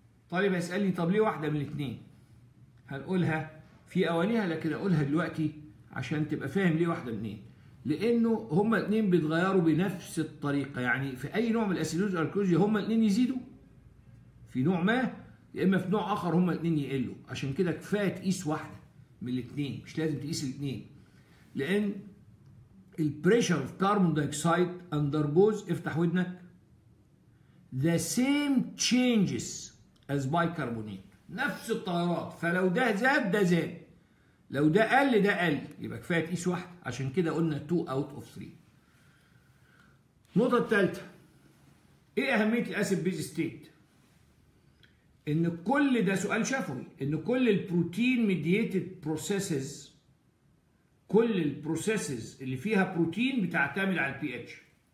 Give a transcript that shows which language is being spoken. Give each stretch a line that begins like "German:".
Arabic: طالب هيسألني طب ليه واحدة من الاثنين؟ هنقولها في أوانيها لكن أقولها دلوقتي عشان تبقى فاهم ليه واحدة من الاثنين. لأنه هما الاثنين بيتغيروا بنفس الطريقة، يعني في أي نوع من الأسيلوزي والأركلوزي هما الاثنين يزيدوا في نوع ما، يا إما في نوع آخر هما الاثنين يقلوا. عشان كده كفاية تقيس واحدة من الاثنين، مش لازم تقيس الاثنين. لأن الـ
English: pressure of carbon dioxide undergoes،
Arabic: افتح ودنك،
English: the same changes as bicarbonate،
Arabic: نفس التغيرات. فلو ده زاد ده زاد، لو ده قل ده قل، يبقى كفاية تقيس واحد. عشان كده قلنا
English: 2 out of 3.
Arabic: النقطة الثالثة، ايه أهمية الأسيد بيز ستيت؟ ان كل ده سؤال شفوي، ان كل البروتين ميدييتد بروسيسز، كل البروسيسز اللي فيها بروتين بتعتمد على البي اتش.